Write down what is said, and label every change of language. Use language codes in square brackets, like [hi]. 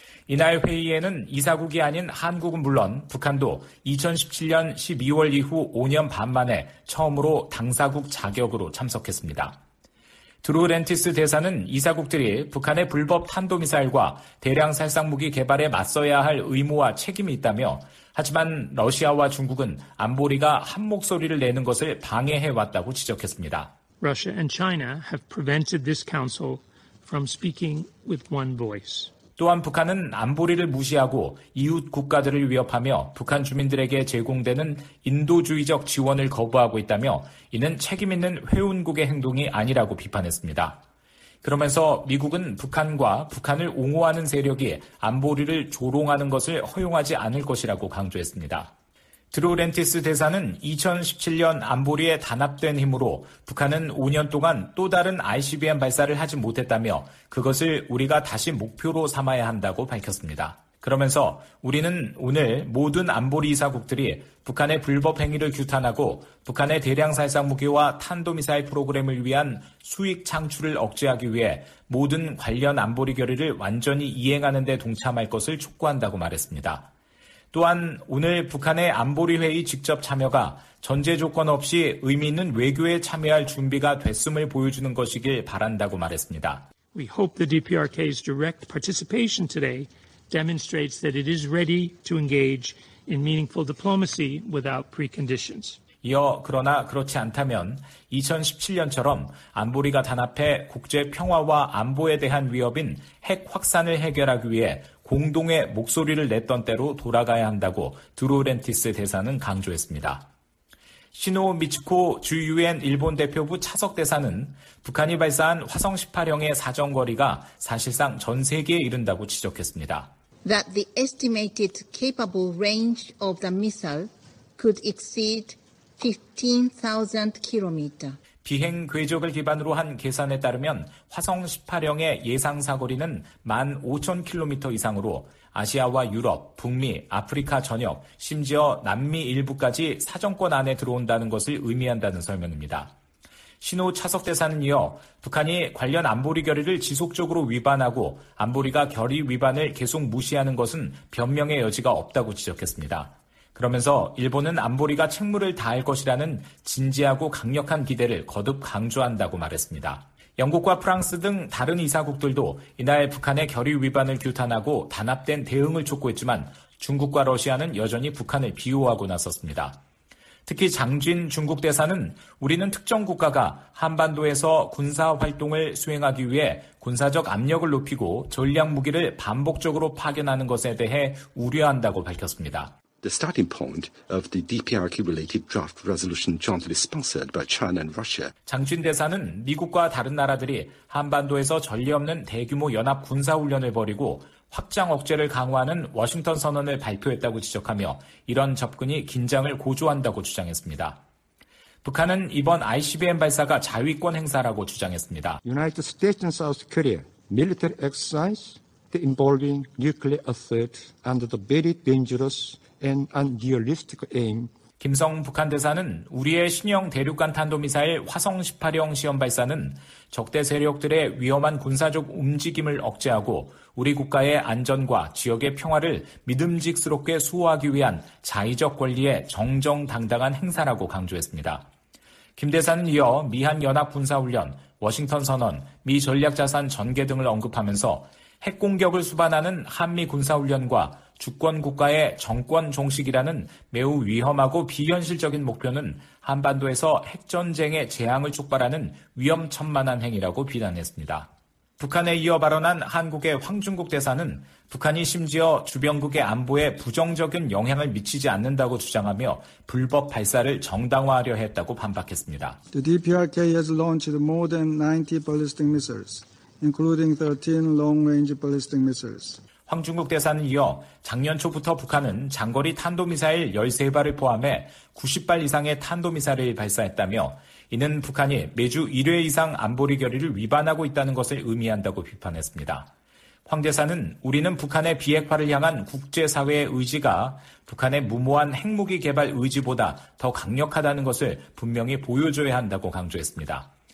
[ko] 이날 회의에는 이사국이 아닌 한국은 물론 북한도 2017년 12월 이후 5년 반 만에 처음으로 당사국 자격으로 참석했습니다. 드루렌티스 대사는 이사국들이 북한의 불법 탄도미사일과 대량 살상무기 개발에 맞서야 할 의무와 책임이 있다며 하지만 러시아와 중국은 안보리가 한 목소리를 내는 것을 방해해왔다고 지적했습니다. [en] Russia and China have prevented this council from speaking with one voice. [ko] 또한 북한은 안보리를 무시하고 이웃 국가들을 위협하며 북한 주민들에게 제공되는 인도주의적 지원을 거부하고 있다며 이는 책임 있는 회원국의 행동이 아니라고 비판했습니다. 그러면서 미국은 북한과 북한을 옹호하는 세력이 안보리를 조롱하는 것을 허용하지 않을 것이라고 강조했습니다. 드루렌티스 대사는 2017년 안보리에 단합된 힘으로 북한은 5년 동안 또 다른 ICBM 발사를 하지 못했다며 그것을 우리가 다시 목표로 삼아야 한다고 밝혔습니다. 그러면서 우리는 오늘 모든 안보리 이사국들이 북한의 불법 행위를 규탄하고 북한의 대량 살상 무기와 탄도미사일 프로그램을 위한 수익 창출을 억제하기 위해 모든 관련 안보리 결의를 완전히 이행하는 데 동참할 것을 촉구한다고 말했습니다. 또한 오늘 북한의 안보리 회의 직접 참여가 전제 조건 없이 의미 있는 외교에 참여할 준비가 됐음을 보여주는 것이길 바란다고 말했습니다. [en] We hope the DPRK's direct participation today demonstrates that it is ready to engage in meaningful diplomacy without preconditions. [ko] 이어 그러나 그렇지 않다면 2017년처럼 안보리가 단합해 국제 평화와 안보에 대한 위협인 핵 확산을 해결하기 위해 공동의 목소리를 냈던 때로 돌아가야 한다고 드루렌티스 대사는 강조했습니다. 시노 미츠코 주 유엔 일본 대표부 차석 대사는 북한이 발사한 화성 18형의 사정거리가 사실상 전 세계에 이른다고 지적했습니다. [en] That the estimated capable range of the missile could exceed 15,000 km. [ko] 비행 궤적을 기반으로 한 계산에 따르면 화성 18형의 예상 사거리는 15,000km 이상으로 아시아와 유럽, 북미, 아프리카 전역, 심지어 남미 일부까지 사정권 안에 들어온다는 것을 의미한다는 설명입니다. 신호 차석 대사는 이어 북한이 관련 안보리 결의를 지속적으로 위반하고 안보리가 결의 위반을 계속 무시하는 것은 변명의 여지가 없다고 지적했습니다. 그러면서 일본은 안보리가 책무를 다할 것이라는 진지하고 강력한 기대를 거듭 강조한다고 말했습니다. 영국과 프랑스 등 다른 이사국들도 이날 북한의 결의 위반을 규탄하고 단합된 대응을 촉구했지만 중국과 러시아는 여전히 북한을 비호하고 나섰습니다. 특히 장진 중국 대사는 우리는 특정 국가가 한반도에서 군사 활동을 수행하기 위해 군사적 압력을 높이고 전략 무기를 반복적으로 파견하는 것에 대해 우려한다고 밝혔습니다. [en] The starting point of the DPRK-related draft resolution jointly sponsored by China and Russia. [ko] 장진 대사는 미국과 다른 나라들이 한반도에서 전례 없는 대규모 연합 군사 훈련을 벌이고 확장 억제를 강화하는 워싱턴 선언을 발표했다고 지적하며 이런 접근이 긴장을 고조한다고 주장했습니다. 북한은 이번 ICBM 발사가 자위권 행사라고 주장했습니다. [en] United States and South Korea military exercise involving nuclear assault under the very dangerous and unrealistic aim. [ko] 김성 북한 대사는 우리의 신형 대륙간 탄도미사일 화성 18형 시험 발사는 적대 세력들의 위험한 군사적 움직임을 억제하고 우리 국가의 안전과 지역의 평화를 믿음직스럽게 수호하기 위한 자의적 권리의 정정당당한 행사라고 강조했습니다. 김 대사는 이어 미한연합군사훈련, 워싱턴 선언, 미 전략자산 전개 등을 언급하면서 핵공격을 수반하는 한미군사훈련과 주권국가의 정권종식이라는 매우 위험하고 비현실적인 목표는 한반도에서 핵전쟁의 재앙을 촉발하는 위험천만한 행위라고 비난했습니다. 북한에 이어 발언한 한국의 황중국 대사는 북한이 심지어 주변국의 안보에 부정적인 영향을 미치지 않는다고 주장하며 불법 발사를 정당화하려 했다고 반박했습니다. [en] The DPRK has launched more than 90 ballistic missiles, including 13 long-range ballistic missiles. [ko] 황중국 대사는 이어 작년 초부터 북한은 장거리 탄도미사일 13발을 포함해 90발 이상의 탄도미사일을 발사했다며 이는 북한이 매주 1회 이상 안보리 결의를 위반하고 있다는 것을 의미한다고 비판했습니다. 황 대사는 우리는 북한의 비핵화를 향한 국제사회의 의지가 북한의 무모한 핵무기 개발 의지보다 더 강력하다는 것을 분명히 보여줘야 한다고 강조했습니다.